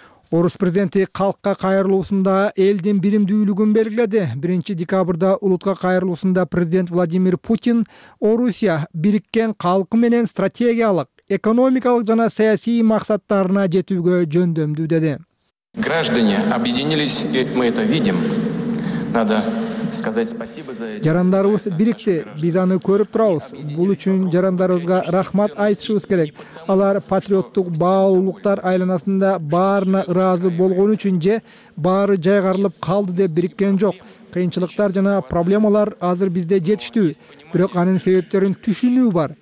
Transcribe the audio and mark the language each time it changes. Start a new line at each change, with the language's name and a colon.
Kyrgyz: Орус президенти калкка кайрылуусунда элдин биримдүүлүгүн белгиледи. 1 декабрда улутка кайрылуусунда президент Владимир Путин Орусия бириккен калкы менен стратегиялык, экономикалык жана саясий максаттарына жетүүгө жөндөмдүү деди.
Russian: Граждане объединились, мы это видим. Надо сказать спасибо за это.
Kyrgyz: Жарандарыбыз бирикти, биз аны көрүп турабыз. Бул үчүн жарандарыбызга рахмат айтышыбыз керек. Алар патриоттук баалуулуктар айланасында баарына ыраазы болгон үчүн же баары жайгарылып калды деп бириккен жок. Кыйынчылыктар жана проблемалар азыр бизде жетиштүү, бирок анын себептерин түшүнүү бар.